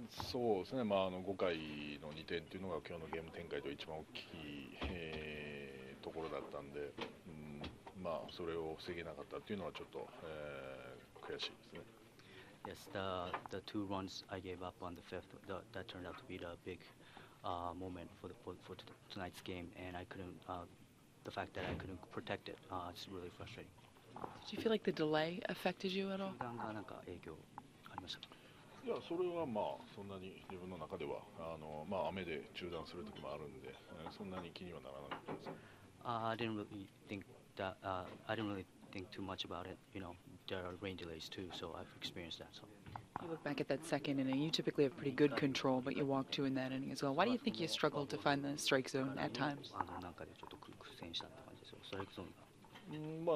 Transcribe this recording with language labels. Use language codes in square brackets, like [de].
[ja] そうですね、まあ、あの5回の2点というのが今日のゲーム展開で一番大きい、ところだったんで、うん、まあ、それを防げなかったというのはちょっと、悔しいですね。 [en] Yes, the two runs I gave up on the fifth, that turned out to be the big moment for tonight's game, and I couldn't, the fact that I couldn't protect it, it's really frustrating. Did you feel like the delay affected you at all? [ja] 時間がなんか影響ありましたか？いや、それはまあそんなに自分の中ではまあ、雨で中断する時もあるんで、そんなに気にはならなかったです。 [en] I didn't really think too much about it. You know, there are rain delays too, so I've experienced that. So. You look back at that second inning. You typically have pretty good control, but you walked two in that inning as well. Why do you think you struggled to find the strike zone at times? [ja] なんかでちょっと苦戦したって感じですよ。ストライクゾーンが。